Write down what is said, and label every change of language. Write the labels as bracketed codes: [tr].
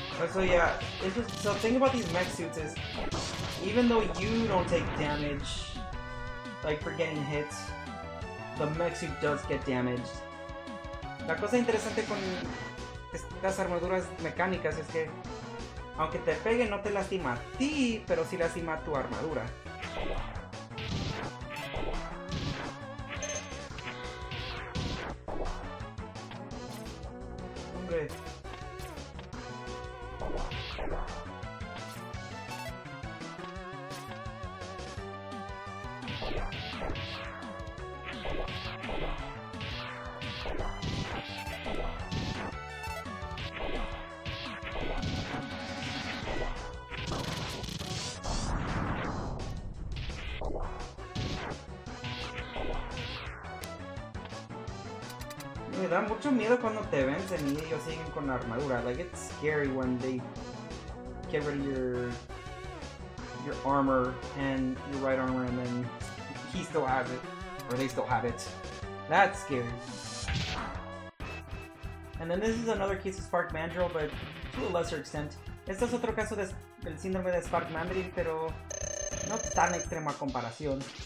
[en] So yeah, it's just, so thing about these mech suits is, even though you don't take damage, like for getting hit, the mech suit does get damaged. [es] La cosa interesante con estas armaduras mecánicas es que, aunque te pegue, no te lastima a ti, pero sí lastima a tu armadura. Hombre. Miedo cuando te vencen y ellos siguen con la armadura. [en] Like, it's scary when they get rid of your armor and your right armor, and then he still has it, or they still have it. That's scary. And then this is another case of Spark Mandrill, but to a lesser extent. [es] Este es otro caso del síndrome de Spark Mandrill, pero no tan extrema comparación.